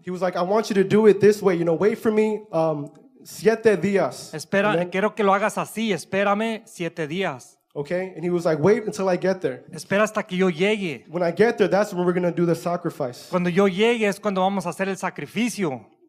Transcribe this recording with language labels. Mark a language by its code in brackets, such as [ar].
[en] He was like, I want you to do it this way. You know, wait for me [es] 7 días. Espera, quiero que lo hagas así. Espérame 7 días. [en] Okay? And he was like, wait until I get there. [es] Espera hasta que yo llegue. [en] When I get there, that's when we're going to do the sacrifice. [es] Cuando yo llegue es cuando vamos a hacer el sacrificio.